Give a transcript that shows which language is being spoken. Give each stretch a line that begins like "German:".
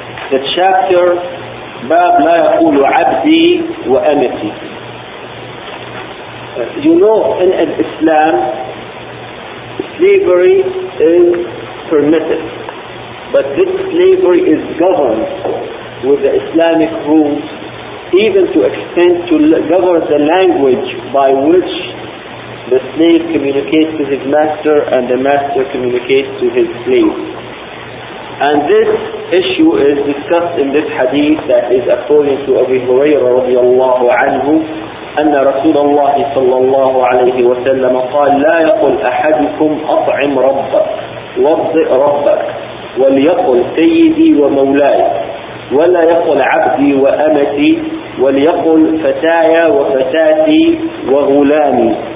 English: The chapter,
Arabic: باب لا يقول عبدي وأمتي.
English: You know, in Islam, slavery is permitted. But this slavery is governed with the Islamic rules, even to extend to govern the language by which the slave communicates to his master and the master communicates to his slave. And this issue is discussed in this hadith that is according to Abu Hurairah radiallahu anhu.
Arabic: أن رسول الله صلى الله عليه وسلم قال لا يقل أحدكم أطعم ربك وارزق ربك وليقل سيدي ومولاي ولا يقل عبدي وأمتي وليقل فتايا وفتاتي وغلامي.